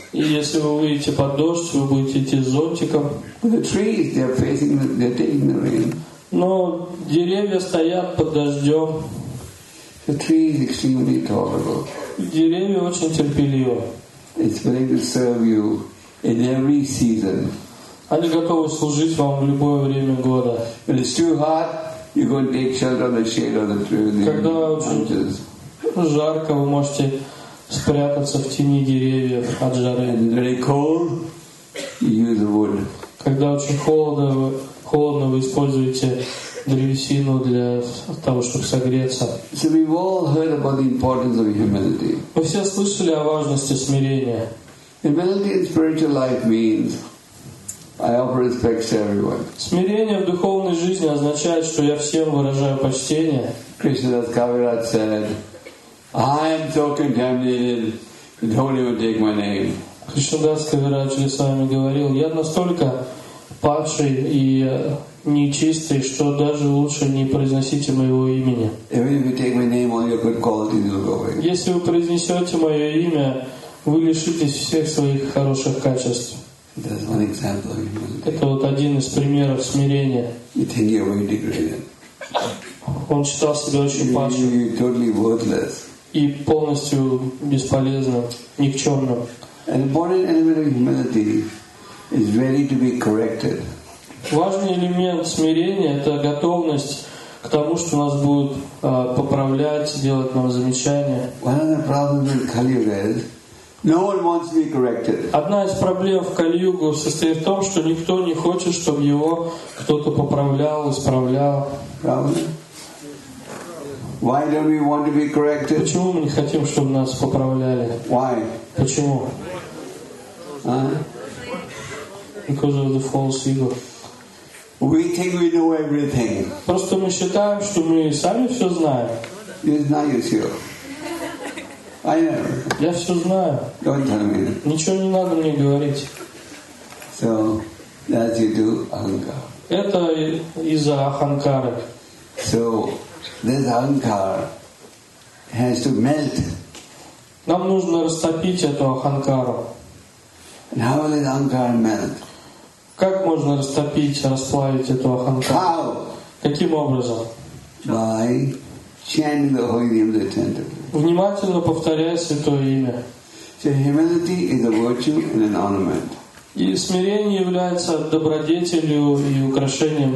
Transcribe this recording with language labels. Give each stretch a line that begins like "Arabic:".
Russian: И если вы выйдете под дождь, вы будете идти с зонтиком.
English: But the trees, they're facing, they're taking the rain.
Russian: Но деревья стоят под дождем.
English: The tree is extremely tolerable.
Russian: Деревья очень терпеливы.
English: It's willing to serve you in every season.
Russian: Они готовы служить вам в любое время года.
English: When it's too hot, you go and take shelter in the shade of the tree.
Russian: Когда очень жарко, вы можете спрятаться в тени деревьев от жары.
English: And very cold, you use wood.
Russian: Когда очень холодно, вы используете древесину для того, чтобы согреться.
English: So we've all heard about the importance of humility.
Russian: Мы все слышали о важности смирения.
English: Humility in spiritual life means I offer respects to everyone.
Russian: Смирение в духовной жизни означает, что я всем выражаю почтение.
English: Krishna Das Kaviraj said, I am so contaminated, don't even take my name.
Russian: Krishna Das Kaviraj с вами говорил, я настолько падший и нечистый, что даже лучше не произносите моего имени.
English: Even if you take my name, all your good qualities will go away.
Russian: Если вы произнесете мое имя, вы лишитесь всех своих хороших качеств.
English: That's one example of humility.
Russian: Это вот один из примеров смирения.
English: You think you're very degraded.
Russian: Он считал себя очень падшим.
English: You're totally worthless.
Russian: И полностью бесполезным, никчемным.
English: An important element of humility is ready to be corrected.
Russian: Важный элемент смирения — это готовность к тому, что нас будут поправлять, делать нам замечания.
English: One of the problems in Kali Yuga is no one wants to be corrected.
Russian: Одна из проблем в Кали-Югу состоит в том, что никто не хочет, чтобы его кто-то поправлял, исправлял. Правда?
English: Why don't we want to be corrected?
Russian: Почему мы не хотим, чтобы нас поправляли?
English: Why?
Russian: Почему?
English: Because of the false ego. We think we know everything.
Russian: Просто мы считаем, что мы сами все знаем.
English: You know yourself. I know.
Russian: Я все знаю.
English: Don't tell me.
Russian: Ничего не надо мне говорить.
English: So that you do ahankar.
Russian: Это из-за аханкары.
English: So this ahankar has to melt.
Russian: Нам нужно растопить эту аханкару.
English: And how will this ahankar melt?
Russian: Как можно растопить, расплавить эту аханкару? Каким образом?
English: By chanting the holy name of the tenth.
Russian: Внимательно повторяя святое имя.
English: So humility is a virtue and an ornament.
Russian: И смирение является добродетелью и украшением